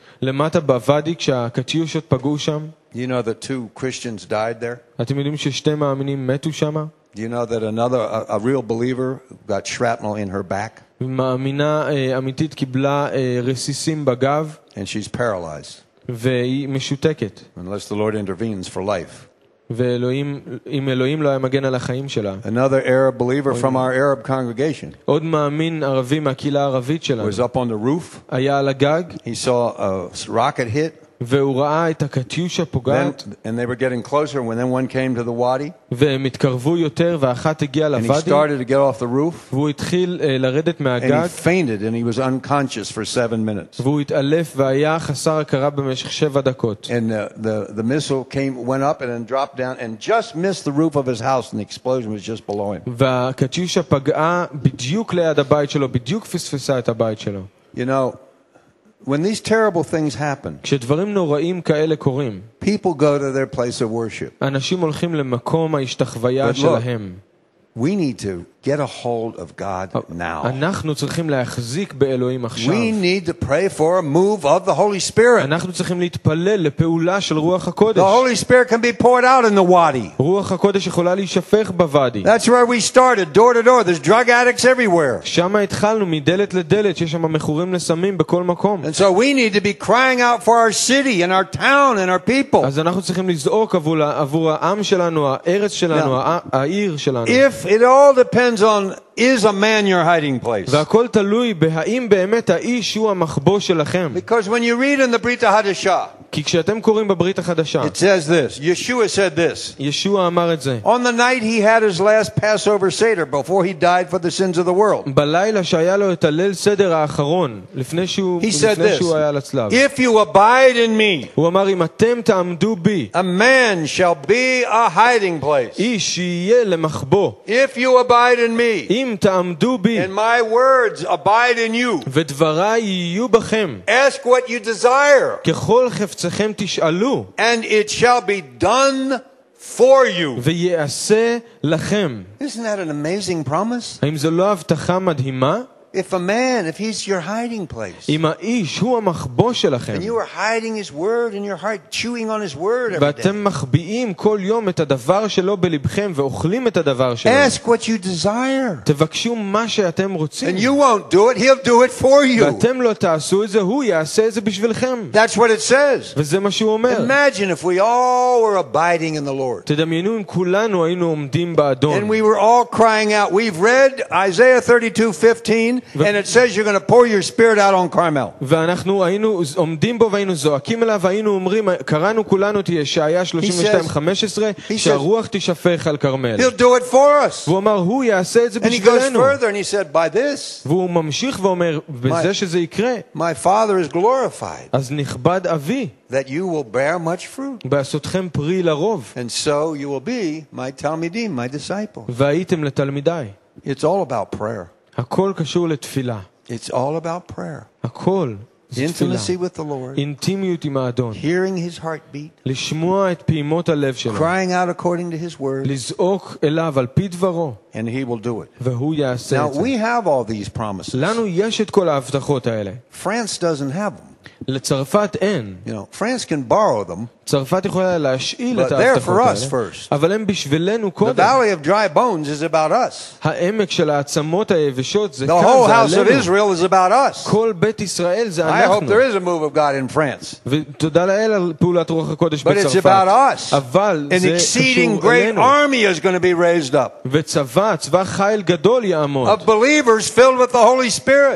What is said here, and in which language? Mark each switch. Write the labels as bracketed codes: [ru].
[he] למטה בוואדי כשהקטיושות פגעו שם. [en] You know that two Christians died there? [he] אתם יודעים ששתי מאמינים מתו שם? [en] Do you know that another a real believer got shrapnel in her back? [he] מאמינה אמיתית קיבלה רסיסים בגב. [en] And she's paralyzed. [he] והיא משותקת. [en] Unless the Lord intervenes for life. [he] ואלוהים, אם אלוהים לא היה מגן על החיים שלה. [en] Another Arab believer from our Arab congregation. [he] עוד מאמין ערבי מהקהילה הערבית שלנו. [en] Was up on the roof. [he] היה על הגג. [en] He saw a rocket hit. [he] והוא ראה את הקטיושה פוגעת. [en] And they were getting closer when then one came to the wadi. [he] והם התקרבו יותר ואחת הגיעה לוואדי. [en] And he started to get off the roof. [he] והוא התחיל לרדת מהגג. [en] And he fainted and he was unconscious for 7 minutes. [he] והוא התעלף והיה חסר הכרה במשך 7 דקות. [en] And the missile went up and then dropped down and just missed the roof of his house and the explosion was just below him. [he] והקטיושה פגעה בדיוק ליד הבית שלו, בדיוק פספסה את הבית שלו. [en] You know, when these terrible things happen, [he] כשדברים נוראים כאלה קורים, [en] people go to their place of worship. [he] אנשים הולכים למקום ההשתחוויה שלהם. [en] We need to get a hold of God now. [he] אנחנו צריכים להחזיק באלוהים עכשיו. [en] We need to pray for a move of the Holy Spirit. [he] אנחנו צריכים להתפלל לפעולה של רוח הקודש. [en] The Holy Spirit can be poured out in the wadi. [he] רוח הקודש יכולה להישפך בוואדי. [en] That's where we started, door to door. There's drug addicts everywhere. [he] שם התחלנו, מדלת לדלת, יש שם מכורים לסמים בכל מקום. [en] And so we need to be crying out for our city and our town and our people. [he] אז אנחנו צריכים לזעוק עבור העם שלנו, הארץ שלנו, העיר שלנו. [en] If it all depends on is a man your hiding place. [he] והכל תלוי בהאם באמת האיש הוא המחבוא שלכם. [en] Because when you read in the Brit Hadasha, [he] כי כשאתם קוראים בברית החדשה, [en] it says this. Yeshua said this. [he] ישוע אמר את זה. [en] On the night he had his last Passover Seder before he died for the sins of the world. [he] בלילה שהיה לו את הליל סדר האחרון לפני שהוא היה על הצלב. [en] If you abide in me, [he] הוא אמר אם אתם תעמדו בי, [en] a man shall be a hiding place. [he] איש יהיה למחבוא. [en] If you abide in me, [he] אם תעמדו בי, [en] and my words abide in you, [he] ודבריי יהיו בכם, [en] ask what you desire, [he] ככל חפצכם תשאלו, [en] and it shall be done for you, [he] ויעשה לכם. [en] Isn't that an amazing promise? [he] האם זו לא הבטחה מדהימה? [en] If a man, if he's your hiding place, [he] אם האיש הוא המחבוא שלכם, [en] and you are hiding his word in your heart, chewing on his word every day, [he] ואתם מחביאים כל יום את הדבר שלו בלבכם ואוכלים את הדבר שלו, [en] ask what you desire, [he] תבקשו מה שאתם רוצים, [en] and you won't do it, he'll do it for you, [he] ואתם לא תעשו את זה, הוא יעשה את זה בשבילכם. [en] That's what it says. [he] וזה מה שהוא אומר. [en] Imagine if we all were abiding in the Lord, [he] תדמיינו אם כולנו היינו עומדים באדון, [en] and we were all crying out. We've read Isaiah 32:15, and it says you're going to pour your spirit out on Carmel. [he] ואנחנו היינו עומדים בו והיינו זועקים אליו והיינו אומרים, קראנו כולנו ישעיה 32:15, שהרוח תישפך על כרמל. [en] He'll do it for us. [he] והוא אמר, הוא יעשה את זה בשבילנו. [en] And he goes further and he said, by this, [he] והוא ממשיך ואומר, בזה שזה יקרה, [en] my father is glorified, [he] אז נכבד אבי, [en] that you will bear much fruit, [he] בעשותכם פרי לרוב, [en] and so you will be my תלמידים, my disciples, [he] והייתם לתלמידיי. [en] It's all about prayer. [he] הכל קשור לתפילה. [en] It's all about prayer. [he] הכל. [en] Intimacy with the Lord. [he] Intimiut עם האדון. [en] Hearing his heartbeat. [he] לשמוע את פעימות הלב שלו. [en] Crying out according to his word. [he] לזעוק אליו על פי דברו. [en] And he will do it. [he] והוא יעשה את זה. [en] Now we have all these promises. [he] לנו יש את כל ההבטחות האלה. [en] France doesn't have them. [he] לצרפת אין. [en] You know, France can borrow them. [he] צרפת יכולה להשאיל את ההבטחות האלה. [en] But they're for us first. [he] אבל הם בשבילנו קודם. [en] The valley of dry bones is about us. [he] העמק של העצמות היבשות זה כאן ועלינו. [en] The whole house of Israel is about us. [he] כל בית ישראל זה אנחנו. [en] I hope there is a move of God in France. [he] ותודה לאל על פעולת רוח הקודש בצרפת. [en] But it's about us. [he] אבל זה קשור אלינו. [en] An exceeding great army is going to be raised up. [he] וצבא, צבא חיל גדול יעמוד. [en] Of believers filled with the Holy Spirit.